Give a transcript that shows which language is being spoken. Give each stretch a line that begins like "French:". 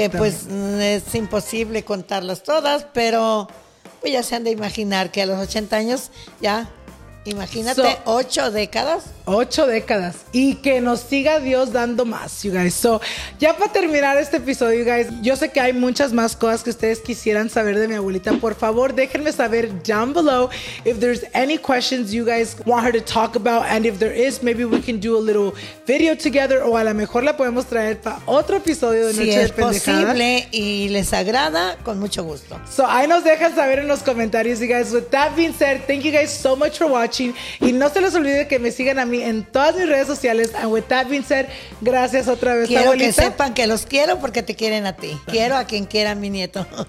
Spanish: Que pues es imposible contarlas todas, pero pues ya se han de imaginar que a los 80 años ya... Imagínate, ocho décadas. Y que nos siga Dios dando más,
English: you guys.
Spanish: So, ya para terminar este episodio,
English: you guys,
Spanish: yo sé que hay muchas más cosas que ustedes quisieran saber de mi abuelita. Por favor, déjenme saber
English: down below if there's any questions you guys want her to talk about. And if there is, maybe we can do a little video together.
Spanish: O a lo mejor la podemos traer para otro episodio de Noche de Pendejadas. Si es posible y les agrada, con mucho gusto. So, ahí nos dejan saber en los comentarios,
English: you guys. With that being said, thank you guys so much for watching.
Spanish: Y no se les olvide que me sigan a mí en todas mis redes sociales.
English: And with that being said,
Spanish: gracias otra vez, quiero abuelita. Que sepan que los quiero porque te quieren a ti. Quiero a quien quiera, mi nieto.